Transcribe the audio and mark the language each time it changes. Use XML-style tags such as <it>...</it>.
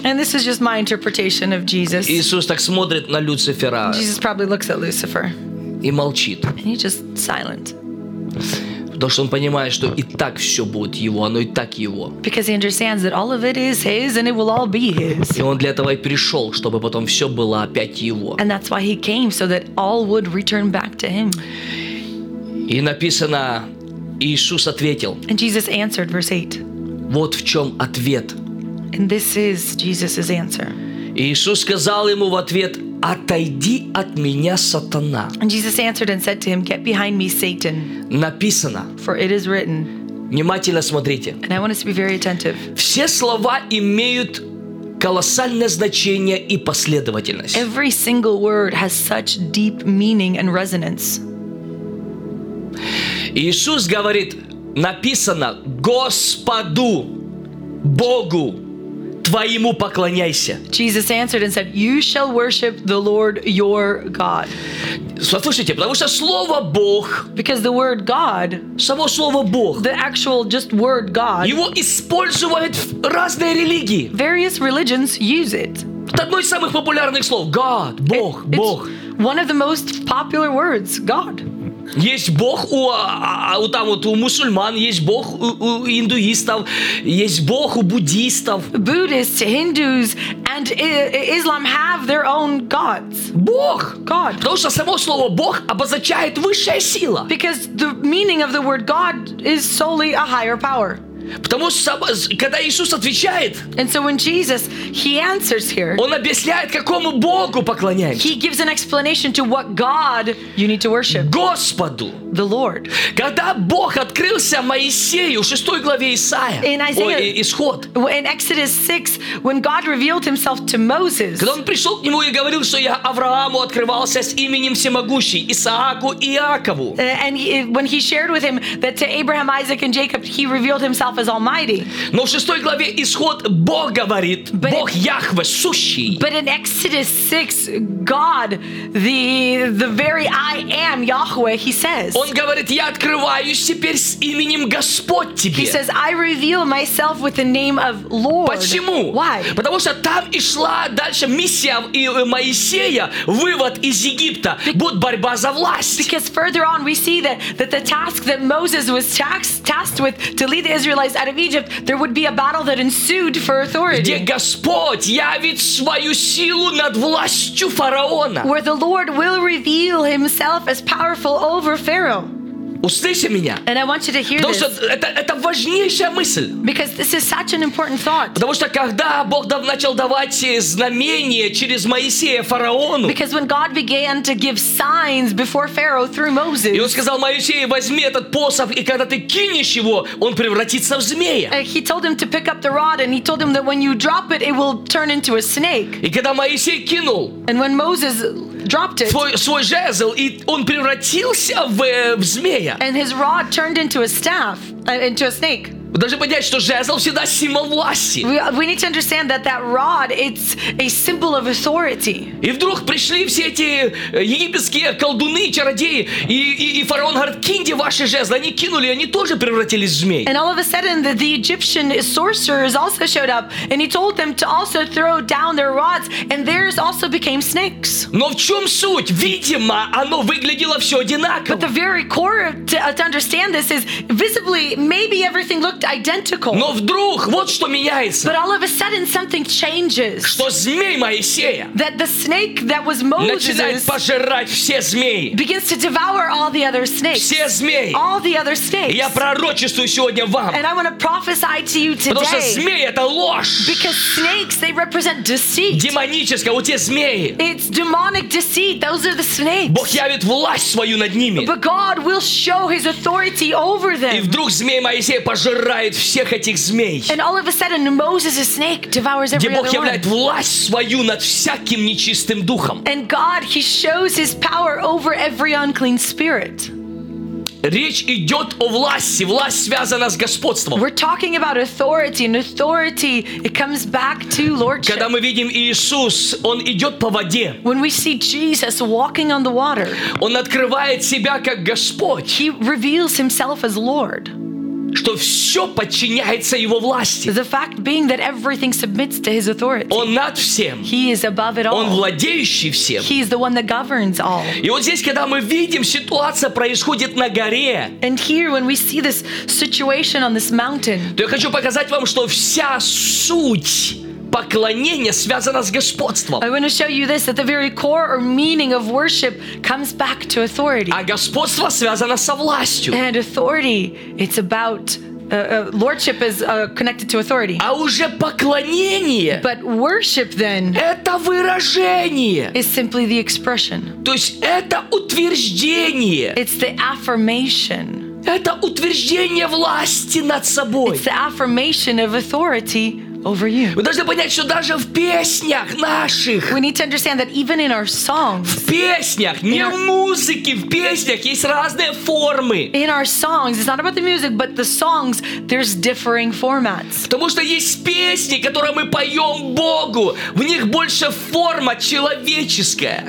<en>And this is just my interpretation of Jesus.</en> <ru>Иисус так смотрит на Люцифера.</ru> <en>Jesus probably looks at Lucifer.</en> <ru>И молчит.</ru> <en>And he's just silent.</en> <ru>Потому что он понимает, что и так все будет его, оно и так его.</ru> <en>Because he understands that all of it is his and it will all be his.</en> <ru>И он для этого и пришел, чтобы потом все было опять его.</ru> <en>And that's why he came, so that all would return back to him.</en> <ru>И написано, Иисус ответил.</ru> <en>And Jesus answered, verse 8.</en> <ru>Вот в чем ответ.</ru> <en>And this is Jesus's answer.</en> <ru>Иисус сказал ему в ответ, отойди от меня, сатана.</ru> <en>And Jesus answered and said to him, get behind me, Satan.</en> <ru>Написано.</ru> <en>For it is written.</en> <ru>Внимательно смотрите.</ru> <en>And I want us to be very attentive.</en> <ru>Все слова имеют колоссальное значение и последовательность.</ru> <en>Every single word has such deep meaning and resonance.</en> <ru>Иисус говорит, написано, Господу, Богу, твоему поклоняйся.</ru> <en>Jesus answered and said, you shall worship the Lord your God.</en> <ru>Слушайте, потому что слово Бог,</ru> <en>because the word God,</en> <ru>само слово Бог,</ru> <en>the actual just word God,</en> <ru>его используют в разные религии.</ru> <en>Various religions use it.</en> <ru>Это одно из самых популярных слов, God, Бог,</ru> <en>it's</en> <ru>Бог.</ru> <en>One of the most popular words, God.</en> <ru>Есть Бог у мусульман, есть Бог у индуистов, есть Бог у буддистов.</ru> <en>Buddhists, Hindus, and Islam have their own gods.</en> <ru>Бог.</ru> <en>God.</en> <ru>Потому что само слово Бог обозначает высшая сила.</ru> <en>Because the meaning of the word God is solely a higher power.</en> <ru>Потому что когда Иисус отвечает,</ru> <en>and so when Jesus, he answers here,</en> <ru>Он объясняет, какому Богу поклоняемся.</ru> <en>He gives an explanation to what God you need to worship.</en> <ru>Господу.</ru> <en>The Lord.</en> <ru>Когда Бог открылся Моисею в 6 главе Исаия,</ru> <en>in Isaiah,</en> <ru>исход.</ru> <en>In Exodus 6, when God revealed himself to Moses,</en> <ru>когда Он пришел к нему и говорил, что я Аврааму открывался с именем Всемогущий, Исааку и Иакову.</ru> <en>And he, when he shared with him that to Abraham, Isaac, and Jacob, he revealed himself as Almighty.</en> <ru>Но в 6 главе исход Бог говорит, but Бог Яхве, сущий.</ru> <en>But in Exodus 6, God, the very I am, Yahweh, he says.</en> <ru>Он говорит, я открываюсь теперь с именем Господь тебе.</ru> <en>He says, I reveal myself with the name of Lord.</en> <ru>Почему?</ru> <en>Why?</en> <ru>Потому что там и шла дальше миссия Моисея, вывод из Египта, будет борьба за власть.</ru> <en>Because further on we see that the task that Moses was tasked with to lead the Israelites out of Egypt, there would be a battle that ensued for authority.</en> <ru>Где Господь явит свою силу над властью фараона.</ru> <en>Where the Lord will reveal himself as powerful over Pharaoh.</en> <ru>Услышьте меня.</ru> <en>And I want you to hear</en> <ru>Потому</ru> <en>this.</en> <ru>Это важнейшая мысль.</ru> <en>Because this is such an important thought.</en> <ru>Потому что когда Бог начал давать знамения через Моисея фараону.</ru> <en>Because when God began to give signs before Pharaoh through Moses.</en> <ru>И он сказал Моисею, возьми этот посох, и когда ты кинешь его, он превратится в змея.</ru> <en>And he told him to pick up the rod, and he told him that when you drop it, it will turn into a snake.</en> <ru>И когда Моисей кинул.</ru> <en>And when Moses dropped it.</en> <ru>Свой жезл, и он превратился в змея.</ru> <en>And his rod turned into a staff, into a snake.</en> <ru>Вы должны понять, что жезл всегда символ власти.</ru> <en>We need to understand that rod, it's a symbol of authority.</en> <ru>И вдруг пришли все эти египетские колдуны, чародеи, и фараон говорит, киньте ваши жезлы. Они кинули, они тоже превратились в змей.</ru> <en>And all of a sudden, the Egyptian sorcerers also showed up, and he told them to also throw down their rods, and theirs also became snakes.</en> <ru>Но в чем суть? Видимо, оно выглядело все одинаково.</ru> <en>But the very core to understand this is, visibly, maybe everything looked identical.</en> <ru>Но вдруг вот что меняется.</ru> <en>But all of a sudden something changes.</en> <ru>Что змей Моисея?</ru> <en>That the snake that was Moses</en> <ru>начинает пожирать все змеи.</ru> <en>Begins to devour all the other snakes.</en> <ru>Все змеи.</ru> <en>All the other snakes.</en> <ru>Я пророчествую сегодня вам.</ru> <en>And I want to prophesy to you today.</en> <ru>Потому что змеи это ложь.</ru> <en>Because snakes they represent deceit.</en> <ru>Демоническая, вот те змеи.</ru> <en>It's demonic deceit. Those are the snakes.</en> <ru>Бог явит власть свою над ними.</ru> <en>But God will show his authority over them.</en> <ru>И вдруг змей Моисея пожирает всех этих змей.</ru> <en>And all of a sudden, Moses, a snake, devours every</en> <ru>Где Бог являет власть свою над всяким нечистым духом.</ru> <en>And God, he shows his power over every unclean spirit.</en> <ru>Речь идет о власти. Власть связана с господством.</ru> <en>We're talking about authority, and authority it comes back to lordship.</en> <ru>Когда мы видим Иисус, он идет по воде.</ru> <en>When we see Jesus walking on the water.</en> <ru>Он открывает себя как Господь.</ru> <en>He reveals himself as Lord.</en> <ru>Что все подчиняется его власти.</ru> <en>The fact being that everything submits to his authority.</en> <ru>Он над всем.</ru> <en>He is above it all.</en> <ru>Он владеющий всем.</ru> <en>He is the one that governs all.</en> <ru>И вот здесь, когда мы видим, ситуация происходит на горе.</ru> <en>And here, when we see this situation on this mountain.</en> <ru>То я хочу показать вам, что вся суть поклонение связано с господством.</ru> <en>I want to show you this, that the very core or meaning of worship comes back to authority.</en> <ru>А господство связано со властью.</ru> <en>And authority, it's about lordship is connected to authority.</en> <ru>А уже поклонение.</ru> <en>But worship then.</en> <ru>Это выражение.</ru> <en>Is simply the expression.</en> <ru>То есть это утверждение.</ru> <en>It's the affirmation.</en> <ru>Это утверждение власти над собой.</ru> <en>It's the affirmation of authority. Over you.</en> <ru>Вы должны понять, что даже в песнях наших,</ru> <en>we need to understand that even in our songs,</en> <ru>в песнях, не в музыке, в песнях есть разные формы.</ru> <en>In our songs, it's not about the music, but the songs, there's differing formats.</en> <ru>Потому что есть песни, которые мы поем Богу, в них больше форма человеческая.</ru>